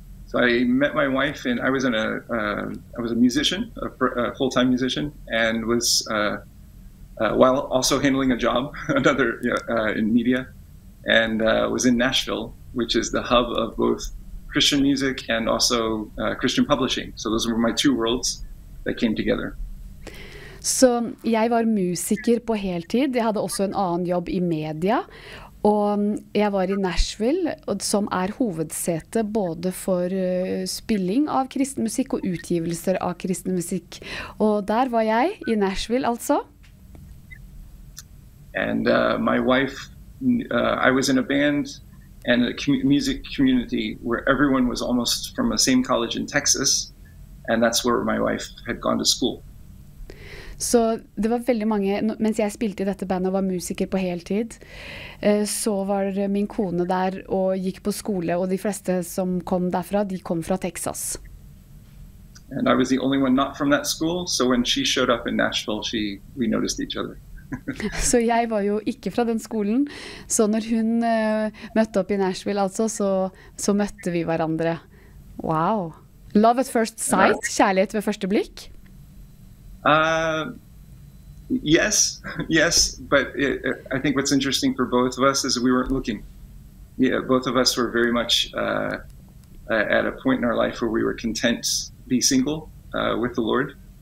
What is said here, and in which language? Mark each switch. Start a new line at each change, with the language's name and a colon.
English: So I met my wife and I was in I was a musician, a full-time musician, and was... while also handling a job, another in media, and was in Nashville, which is the hub of both Christian music and also Christian publishing. So those were my two worlds that came together.
Norwegian: Så jeg var musiker på heltid. Jeg hadde også en annen jobb i media, og jeg var i Nashville, som er hovedsete både for spilling av kristen musikk og utgivelser av kristen musikk. Og der var jeg i Nashville, altså.
English: And my wife, I was in a band and a music community where everyone was almost from the same college in Texas. And that's where my wife had gone to school.
Norwegian: Så det var veldig mange, mens jeg spilte i dette bandet og var musiker på heltid, så var min kone der og gikk på skole, og de fleste som kom derfra, de kom fra Texas.
English: And I was the only one not from that school. So when she showed up in Nashville, we noticed each other.
Norwegian: Så jeg var jo ikke fra den skolen, så når hun møtte opp i Nashville altså, så møtte vi hverandre. Wow.
English: Love at first sight,
Norwegian: kjærlighet ved første blikk?
English: Yes, but I think what's interesting for both of us is we weren't looking. Yeah, both of us were very much at a point in our life where we were content to be single with the Lord.